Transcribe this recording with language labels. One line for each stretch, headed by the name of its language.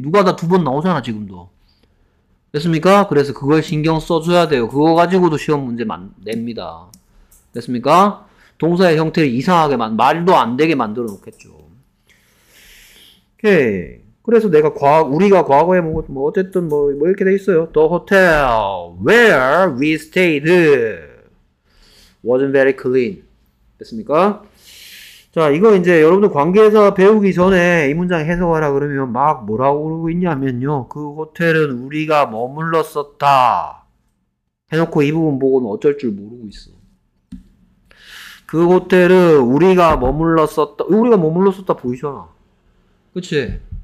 Korean: 누가 다두번 나오잖아, 지금도. 됐습니까? 그래서 그걸 신경 써줘야 돼요. 그거 가지고도 시험 문제 냅니다. 됐습니까? 동사의 형태를 이상하게, 말도 안 되게 만들어 놓겠죠. 오케이. 그래서 우리가 과거에 뭐, 어쨌든 뭐 이렇게 돼 있어요.
English: The hotel where we stayed wasn't very clean.
Korean: 됐습니까? 자, 이거 이제 여러분들 관계사 배우기 전에 이 문장 해석하라 그러면 막 뭐라고 그러고 있냐면요. 그 호텔은 우리가 머물렀었다. 해놓고 이 부분 보고는 어쩔 줄 모르고 있어. 그 호텔은 우리가 머물렀었다 보이잖아. 그치?